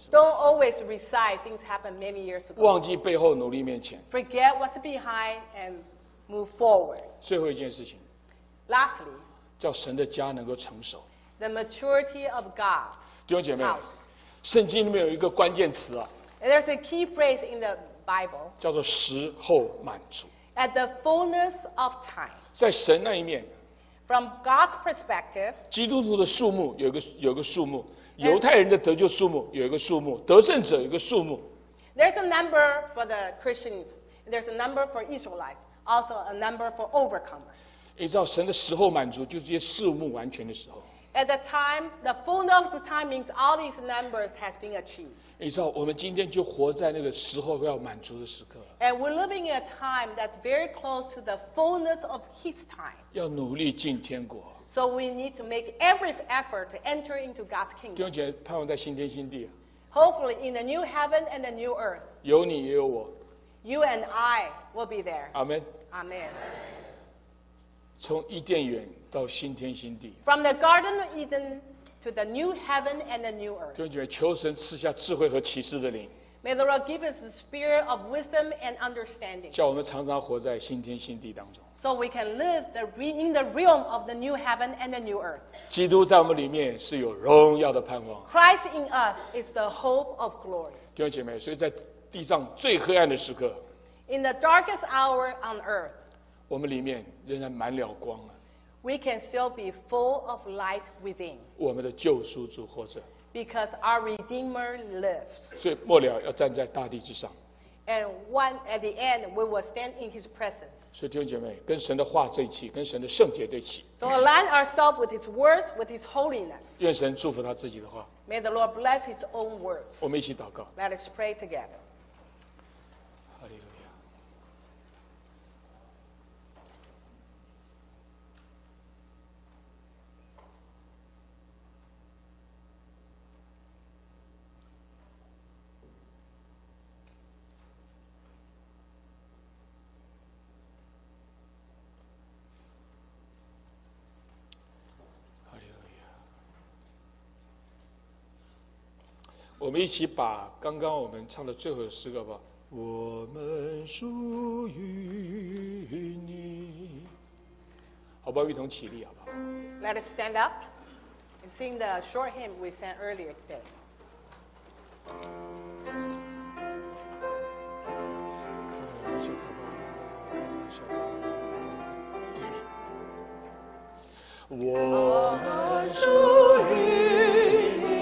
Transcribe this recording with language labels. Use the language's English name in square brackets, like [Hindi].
[English] Don't always recite things happened many years ago [Chinese] 忘记背后努力面前 [English] Forget what's behind and move forward [Chinese] 最后一件事情 [English] Lastly [Chinese] 叫神的家能够成熟 [English] The maturity of God [Chinese] 弟兄姐妹圣经里面有一个关键词啊 [English] There's a key phrase in the Bible [Chinese] 叫做时候满足 [English] At the fullness of time [Chinese] 在神那一面 [English] From God's perspective, [Chinese] 基督徒的数目有个数目，犹太人的得救数目有一个数目，得胜者有个数目。 [English] There's a number for the Christians, there's a number for Israelites, also a number for overcomers. [Chinese] 你知道神的时候满足就是这些数目完全的时候。 [English] At the time, the fullness of time means all these numbers has been achieved. [Chinese] 你知道我们今天就活在那个时候要满足的时刻。 [English] And we're living in a time that's very close to the fullness of His time. [Chinese] 要努力进天国。 [English] So we need to make every effort to enter into God's kingdom. [Chinese] 弟兄姐妹，盼望在新天新地。 [English] Hopefully in the new heaven and the new earth. [Chinese] 有你也有我。 [English] You and I will be there. Amen. Amen. [Chinese] 从伊甸园。到新天新地。 [English] From the Garden of Eden to the new heaven and the new earth. [Chinese] 弟兄姐妹，求神赐下智慧和启示的灵。 [English] May the Lord give us the spirit of wisdom and understanding. [Chinese] 叫我们常常活在新天新地当中。 [English] So we can live in the realm of the new heaven and the new earth. [Chinese] 基督在我们里面是有荣耀的盼望。 [English] Christ in us is the hope of glory. [Chinese] 弟兄姐妹，所以在地上最黑暗的时刻。 [English] In the darkest hour on earth. [Chinese] 我们里面仍然满了光了。 [English] We can still be full of light within. [Chinese] 我们的救赎主活着。 [English] Because our Redeemer lives. [Chinese] 所以末了要站在大地之上。 [English] And one at the end, we will stand in His presence. [Chinese] 所以弟兄姐妹，跟神的话对齐，跟神的圣洁对齐。 [English] So align ourselves with His words, with His holiness. [Chinese] 愿神祝福他自己的话。 [English] May the Lord bless His own words. [Chinese] 我们一起祷告。 [English] Let us pray together. [Chinese] 哈利路亚。我们一起把刚刚我们唱的最后的诗歌吧。我们属于你，好不好？玉彤起立，好不好 [English] ？Let us stand up and sing the short hymn we sang earlier today. [Chinese] 看来弥秀他爸爸刚刚笑了。我们属于。